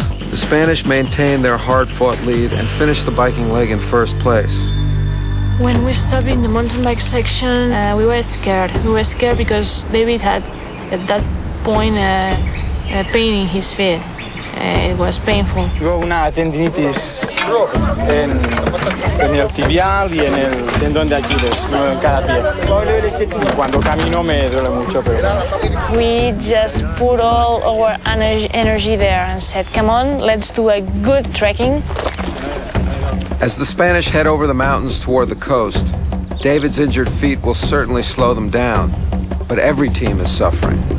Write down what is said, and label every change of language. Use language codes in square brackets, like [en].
[en] The Spanish maintained their hard-fought lead and finished the biking leg in first place. When we stopped in the mountain bike section, we were scared. We were scared because David had, at that point, a pain in his feet. It was painful. [es] Hubo una tendinitis en el tibial y en el tendón de Aquiles, no en cada pie. Y cuando camino me duele mucho, pero... [en] We just put all our energy there and said, come on, let's do a good trekking. As the Spanish head over the mountains toward the coast, David's injured feet will certainly slow them down, but every team is suffering.